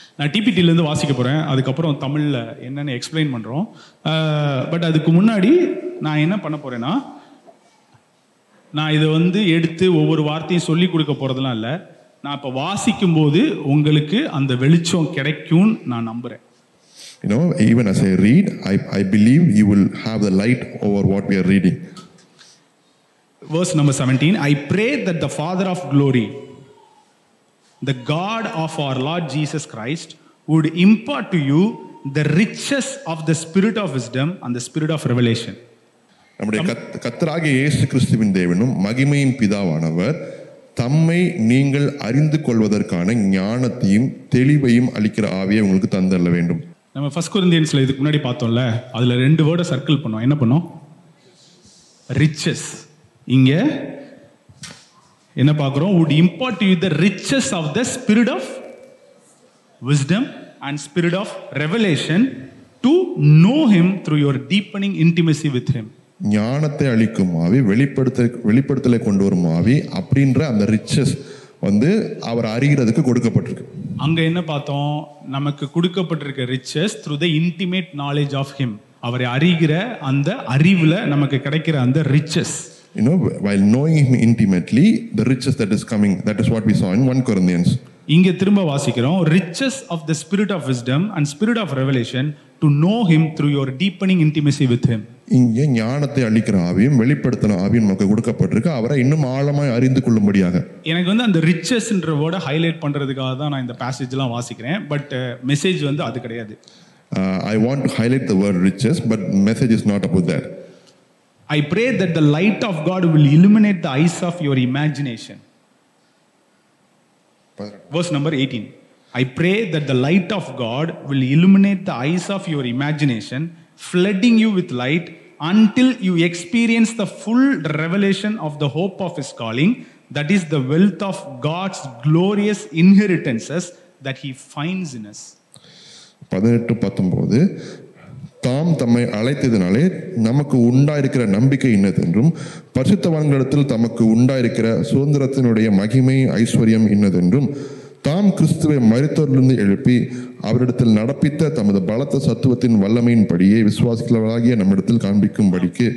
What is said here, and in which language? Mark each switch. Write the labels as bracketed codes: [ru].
[ta] நான் டிபிடிலேருந்து வாசிக்க போகிறேன், அதுக்கப்புறம் தமிழில் என்னென்னு எக்ஸ்பிளைன் பண்ணுறோம். பட் அதுக்கு முன்னாடி நான் என்ன பண்ண போகிறேன்னா, நான் இதை வந்து எடுத்து ஒவ்வொரு வார்த்தையும் சொல்லி கொடுக்க போகிறதெல்லாம் இல்லை. நான் இப்போ வாசிக்கும் போது உங்களுக்கு அந்த வெளிச்சம் கிடைக்கும்னு நான் நம்புகிறேன். [en] You know, even as I read, I believe you will have the light over what we are reading. Verse number 17, I pray that the Father of glory, the God of our Lord Jesus Christ, would impart to you the riches of the spirit of wisdom and the spirit of revelation. [ta] நம்முடைய கர்த்தராகிய இயேசு கிறிஸ்துவின் தேவனும் மகிமையின் பிதாவானவர் தம்மை நீங்கள் அறிந்து கொள்வதற்கான ஞானத்தையும் தெளிவையும் அளிக்கிற ஆவியை உங்களுக்கு தந்தள்ள வேண்டும். நம்ம ஃபர்ஸ்ட் கொரிந்தியன்ஸ்ல இதுக்கு முன்னாடி பார்த்தோம்ல, அதுல ரெண்டு வேர்டை சர்க்கிள் பண்ணோம். என்ன பண்ணோம்? ரிச்சஸ். இங்க என்ன பார்க்குறோம், [en] would impart to you the riches of the spirit of wisdom and spirit of revelation to know him through your deepening intimacy with him. [ta] ஞானத்தை அளிக்கும் ஆவி, வெளிப்படுத்தலை கொண்டு வரும் ஆவி அப்படின்ற அந்த ரிச்சஸ் வந்து அவர் அறிகிறதுக்கு கொடுக்கப்பட்டிருக்கு. அங்க என்ன பார்த்தோம், நமக்கு கொடுக்கப்பட்டிருக்க [en] riches through the intimate knowledge of him, [ta] அவரை அறிகிற அந்த அறிவுல நமக்கு கிடைக்கிற அந்த riches. [en] You know, while knowing him intimately, the riches that is coming, that is what we saw in 1 Corinthians. [ta] இங்கே திரும்ப வாசிக்கிறோம், [en] riches of the spirit of wisdom and spirit of revelation to know him through your deepening intimacy with him. [ta] இங்கே ஞானத்தை அளிக்கிற ஆவியும் வெளிப்படுத்தின ஆவியும் நமக்கு கொடுக்கப்பட்டிருக்கு, அவரை இன்னும் ஆழமாய் அறிந்து கொள்ளும்படியாக. எனக்கு வந்து அந்த ரிச்சஸ்ன்ற வேர்டை ஹைலைட் பண்றதுக்காக தான் நான் இந்த பேசேஜ்லாம் வாசிக்கிறேன், பட் மெசேஜ் வந்து அது கிடையாது. [en] I want to highlight the word riches, but message is not about that. I pray that the light of God will illuminate the eyes of your imagination. Verse number 18. I pray that the light of God will illuminate the eyes of your imagination, flooding you with light until you experience the full revelation of the hope of his calling, that is the wealth of God's glorious inheritances that he finds in us. 18-19. [ta] தாம் தம்மை அழைத்ததினாலே நமக்கு உண்டாயிருக்கிற நம்பிக்கை இன்னதென்றும், பரிசுத்தவான்களிடத்தில் தமக்கு உண்டாயிருக்கிற சுதந்திரத்தினுடைய மகிமை ஐஸ்வர்யம் இன்னதென்றும், தாம் கிறிஸ்துவை மரித்தோரிலிருந்து எழுப்பி அவரிடத்தில் நடப்பித்த தமது பலத்த சத்துவத்தின் வல்லமையின் படியே விசுவாசிகளாகிய நம்மிடத்தில் காண்பிக்கும் படிக்கு.